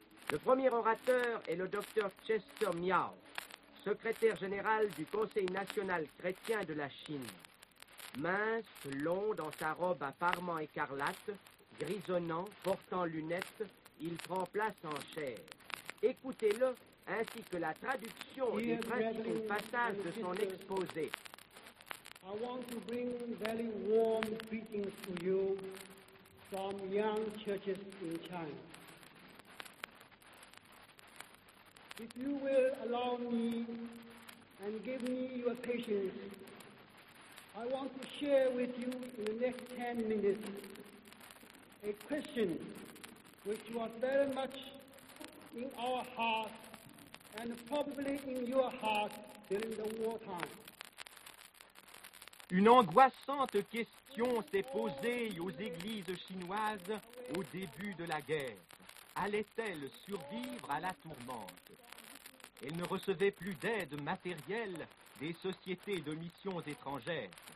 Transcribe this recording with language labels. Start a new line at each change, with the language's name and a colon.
French: Le premier orateur est le docteur Chester Miao, secrétaire général du Conseil national chrétien de la Chine. Mince, long dans sa robe à parements écarlates, grisonnant, portant lunettes, il prend place en chaire. Écoutez-le, ainsi que la traduction du principal passage de son exposé.
English: I want to bring very warm greetings to you from young churches in China. If you will allow me and give me your patience, I want to share with you in the next 10 minutes a question which was very much in our hearts and probably in your heart during the wartime.
French: Une angoissante question s'est posée aux églises chinoises au début de la guerre. Allait-elle survivre à la tourmente? Elle ne recevait plus d'aide matérielle des sociétés de missions étrangères.